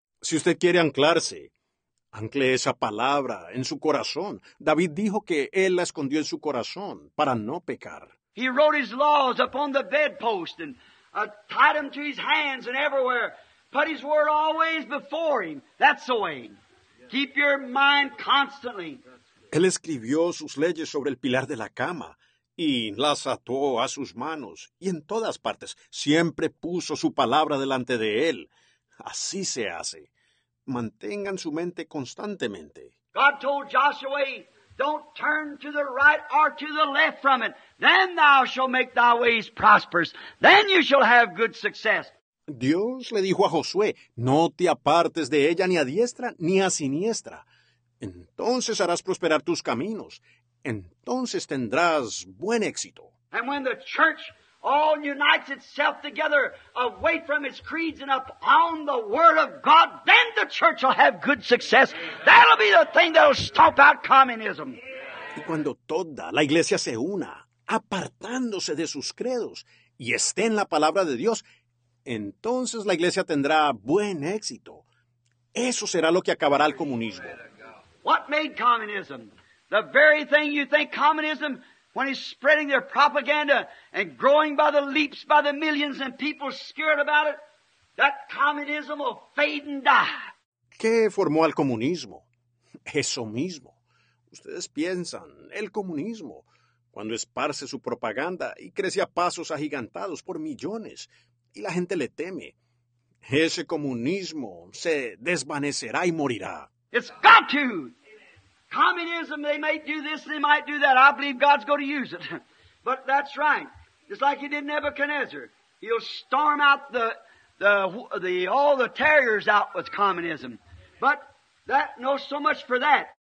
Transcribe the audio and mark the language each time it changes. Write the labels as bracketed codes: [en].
[es] Si usted quiere anclarse, ancle esa palabra en su corazón. David dijo que él la escondió en su corazón para no pecar. [en] He wrote his laws upon the bedpost and tied them to his hands and everywhere. Put his word always before him. That's the way. Keep your mind constantly. [es] Él escribió sus leyes sobre el pilar de la cama y las ató a sus manos, y en todas partes, siempre puso su palabra delante de él. Así se hace. Mantengan su mente constantemente. [en] God told Joshua, don't turn to the right or to the left from it. Then thou shalt make thy ways prosperous. Then you shall have good success. [es] Dios le dijo a Josué, no te apartes de ella ni a diestra ni a siniestra. Entonces harás prosperar tus caminos. Entonces tendrás buen éxito. [en] And when the church all unites itself together away from its creeds and up on the Word of God, then the church will have good success. That'll be the thing that'll stomp out communism. [es] Y cuando toda la iglesia se una, apartándose de sus credos y esté en la palabra de Dios, entonces la iglesia tendrá buen éxito. Eso será lo que acabará el comunismo. [en] What made communism? The very thing you think communism, when it's spreading their propaganda and growing by the leaps by the millions and people scared about it, that communism will fade and die. [es] ¿Qué formó al comunismo? Eso mismo. Ustedes piensan, el comunismo, cuando esparce su propaganda y crece a pasos agigantados por millones y la gente le teme, Ese comunismo se desvanecerá y morirá. [en] It's got to. Communism, they might do this, they might do that. I believe God's going to use it. But that's right. It's like he did Nebuchadnezzar. He'll storm out the all the terriers out with communism. But that, no so much for that.